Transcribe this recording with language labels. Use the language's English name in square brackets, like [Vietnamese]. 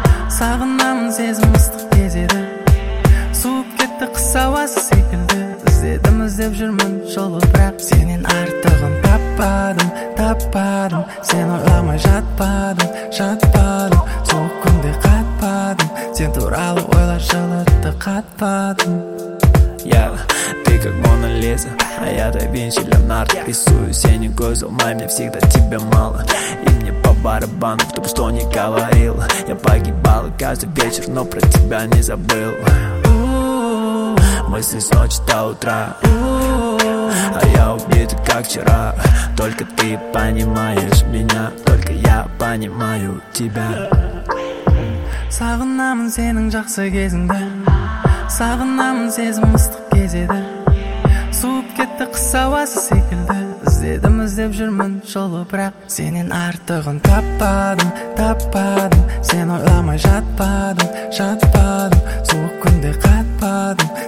[Kazakh] Сағынамын сезім ыстық кезеді. Суып кетті қыс ауасы секілді. Іздедім іздеп жүрмін жолы бірақ. Сенен артығын таппадым, таппадым. Сен ойламай жатпадым, жатпадым. Суық күнде қатпадым. Сен туралы ойлар жылытты қатпадым. [Russian] Ты как Мона Лиза, а я да Винчи Леонардо. Рисую синий гвоздь, умай, мне всегда тебе мало. И мне по барабану, кто бы что ни говорил. Я погибал каждый вечер, но про тебя не забыл. Мысли с ночи до утра, а я убит как вчера. Только ты понимаешь меня, только я понимаю тебя. [Kazakh] Сағынамын сенің жақсы кезіңді. Сағынамын сезім ыстық кезеді. Суып кетті қыс ауасы секілді. Іздедім іздеп жүрмін жолы бірақ. Сенен артығын таппадым, таппадым. Сен ойламай жатпадым, жатпадым. Суық күнде қатпадым.